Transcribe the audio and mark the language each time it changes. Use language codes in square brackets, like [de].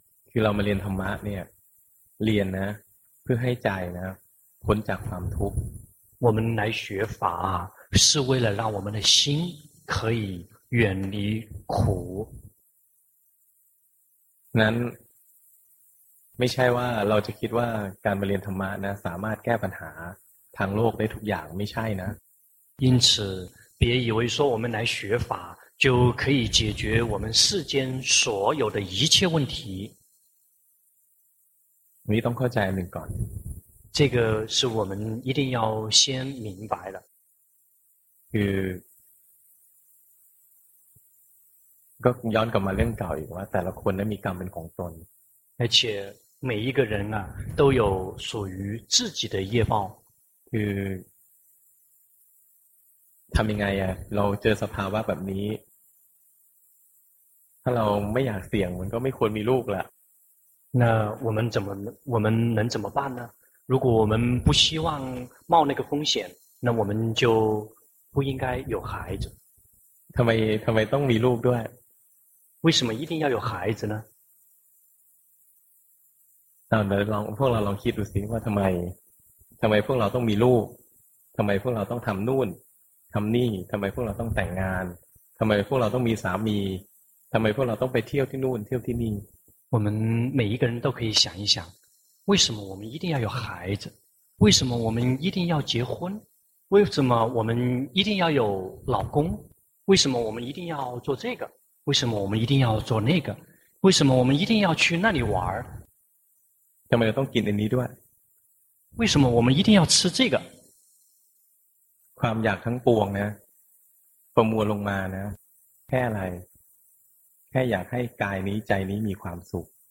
[th] คือเรามาเรียนธรรมะเนี่ยเรียนนะเพื่อให้ใจนะพ้นจากความทุกข์ [zh] 我们来学法是为了让我们的心可以远离苦 [th] นั้นไม่ใช่ว่าเราจะคิดว่าการมาเรียนธรรมะนะสามารถแก้ปัญหาทางโลกได้ทุกอย่างไม่ใช่นะ [zh] 因此别以为说我们来学法就可以解决我们世间所有的一切问题 [th] นี่ต้องเข้าใจหนึ่งก่อน [zh] 这个是我们一定要先明白的 [th] คือก็ย้อนกลับมาเรื่องเก่าอีกว่าแต่ละคนนั้นมีกรรมเป็นของตน [zh] 而且每一个人啊都有属于自己的业报 [th] คือทำยังไงอ่ะเราเจอสภาวะแบบนี้ถ้าเราไม่อยากเสี่ยงมันก็ไม่ควรมีลูกละ [zh] 那我们能怎么办呢如果我们不希望冒那个风险，那我们就不应该有孩子。 [th] ทำไมต้องมีลูกด้วย？ [zh] 为什么一定要有孩子呢？那我们让 [th] พวกเราลองคิดดูสิว่าทำไมพวกเราต้องมีลูกทำไมพวกเราต้องทำนู่นทำนี่ทำไมพวกเราต้องแต่งงานทำไมพวกเราต้องมีสามีทำไมพวกเราต้องไปเที่ยวที่นู่นเที่ยวที่นี่ [zh] 我们每一个人都可以想一想。为什么我们一定要有孩子？为什么我们一定要结婚？为什么我们一定要有老公？为什么我们一定要做这个？为什么我们一定要做那个？为什么我们一定要去那里玩？ [th] ทำไมต้องกินอันนี้ด้วย？ [zh] 为什么我们一定要吃这个？ [th] ความอยากทั้งปวงนะประมวลลงมานะแค่อะไรแค่อยากให้กายนี้ใจนี้มีความสุข